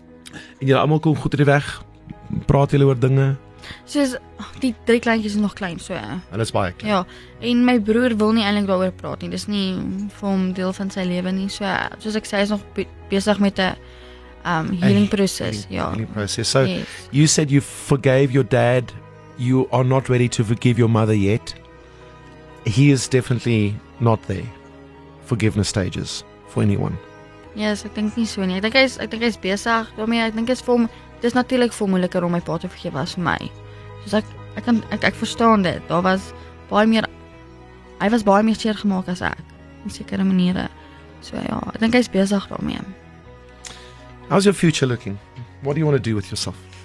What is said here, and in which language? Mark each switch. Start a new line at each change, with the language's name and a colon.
Afrikaans: En julle almal kom goed uit die weg, praat julle oor dinge? Soos, die drie kleintjies is nog klein, so. Hulle is baie klein. Ja, en my broer wil nie eintlik daaroor praat nie, dis nie vir hom deel van sy lewe nie, so, soos ek sê, hy is nog besig met 'n
English: healing process,
Afrikaans: So, yes.
English: You said you forgave your dad. You are not ready to forgive your mother yet. He is definitely not there. Forgiveness stages for anyone.
Afrikaans: Yes, ek dink nie so nie. Ek dink hy is besig. Ek dink is vir hom, dit is natuurlik veel moeiliker om my pa te vergewe as vir my. Soos ek verstaan dit. Daar was baie meer, hy was baie meer seer gemaak as ek, in sekere maniere. So ja, ek dink hy is besig daarmee.
English: How's your future looking? What do you want to do with yourself?